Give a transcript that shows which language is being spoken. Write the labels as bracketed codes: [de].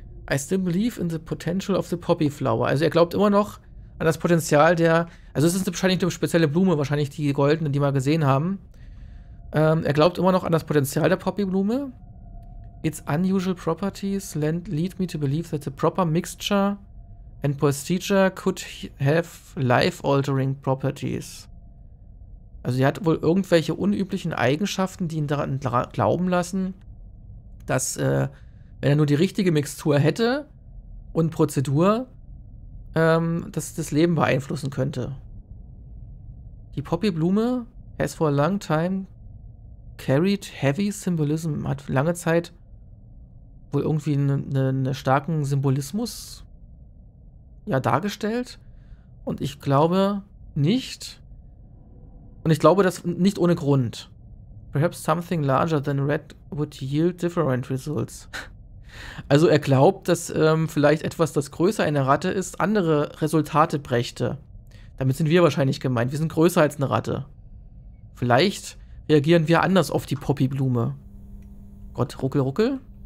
[en] I still believe in the potential of the poppy flower. [de] Also er glaubt immer noch an das Potenzial der, also es ist wahrscheinlich eine spezielle Blume, wahrscheinlich die goldene, die wir gesehen haben. Er glaubt immer noch an das Potenzial der Poppyblume. [en] Its unusual properties lead me to believe that the proper mixture and procedure could have life-altering properties. [de] Also sie hat wohl irgendwelche unüblichen Eigenschaften, die ihn daran glauben lassen, dass wenn er nur die richtige Mixtur hätte und Prozedur, dass das Leben beeinflussen könnte. Die Poppyblume has for a long time carried heavy symbolism, hat lange Zeit wohl irgendwie einen starken Symbolismus ja dargestellt. Und ich glaube nicht. Und ich glaube, das nicht ohne Grund. [en] Perhaps something larger than red would yield different results. [de] Also er glaubt, dass vielleicht etwas, das größer eine Ratte ist, andere Resultate brächte. Damit sind wir wahrscheinlich gemeint. Wir sind größer als eine Ratte. Vielleicht reagieren wir anders auf die Poppyblume. Gott, ruckel, ruckel.